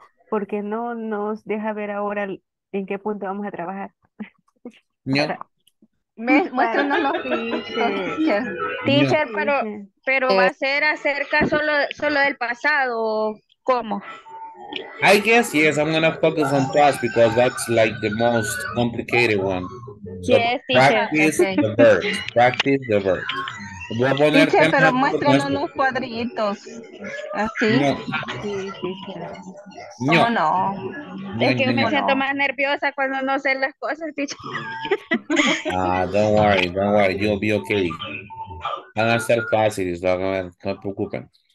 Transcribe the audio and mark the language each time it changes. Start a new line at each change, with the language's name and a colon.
Spanish: ¿Por qué no nos deja ver ahora en qué punto vamos a trabajar?
English: Yeah.
Spanish: Muéstranos los pinches. Teacher, yeah. pero va a ser acerca solo del pasado, ¿cómo?
English: I guess, yes, I'm going to focus on past because that's like the most complicated one. Yes, practice the verb.
Spanish: Voy a poner teacher, pero muéstranos unos cuadritos. Así. No. Sí, no. No. Es que me siento más nerviosa cuando no sé las cosas, teacher.
English: Ah, don't worry, you'll be okay.
Spanish: Van a ser fáciles, no se preocupen.